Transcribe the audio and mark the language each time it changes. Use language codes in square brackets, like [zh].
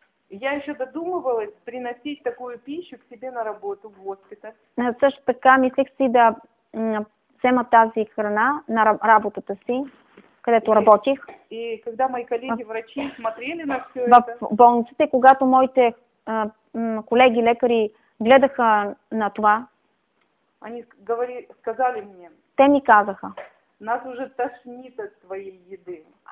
[ru] Я еще додумывалась приносить такую пищу к себе на работу в госпиталь. [bg] Също така мислих си да взема тази храна на работата си, където работих. [ru] И когда мои коллеги-врачи смотрели на все [bg] в болниците, когато моите колеги-лекари гледаха на това, [ru] они сказали мне, [bg] те ми казаха, [ru] нас уже тошнит от твоей еды.